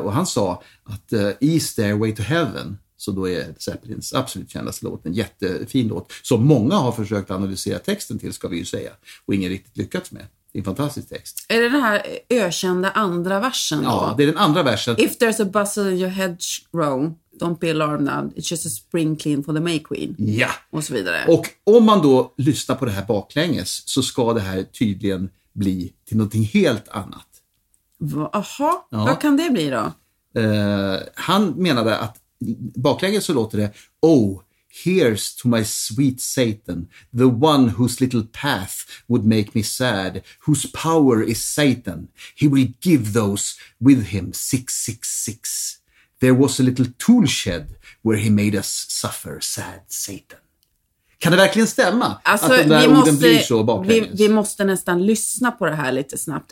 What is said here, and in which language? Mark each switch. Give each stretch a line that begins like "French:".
Swedish: Och han sa att i Stairway to Heaven, så då är Zeppelins absolut kändaste låt, en jättefin låt. Som många har försökt analysera texten till, ska vi ju säga. Och ingen riktigt lyckats med. Det är en fantastisk text. Är det den här ökända andra versen då? Ja, det är den andra versen.
English: If there's a bustle in your hedgerow, don't be alarmed now. It's just a spring clean for the May Queen.
Swedish: Ja. Och så vidare. Och om man då lyssnar på det här baklänges så ska det här tydligen bli till någonting helt annat. Jaha, vad kan det bli då? Han menade att baklänges så låter det:
English: oh, here's to my sweet Satan, the one whose little path would make me sad, whose power is Satan. He will give those with him 666. There was a little tool shed where he made us suffer, sad Satan.
Swedish: Kan det verkligen stämma? Alltså, att de där orden blir så baklänges? Vi måste nästan lyssna på det här lite snabbt.